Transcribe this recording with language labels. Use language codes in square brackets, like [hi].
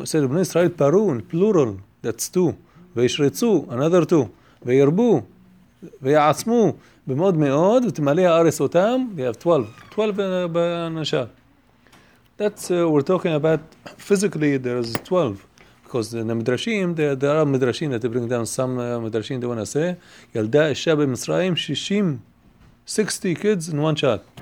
[en] He said, [he] Ubnei Israel paru, [en] in plural, that's two. Ve'yishreitzu, another two. Ve'yirbu. [he] ויעצמו במאוד מאוד ותמלא הארץ אותם. [en] We have 12 באנשה. That's we're talking about physically there is 12, because in the מדרשים, there are מדרשים that they bring down some מדרשים they want to say [he] ילדה אישה במצרים [en] 60 kids in one shot.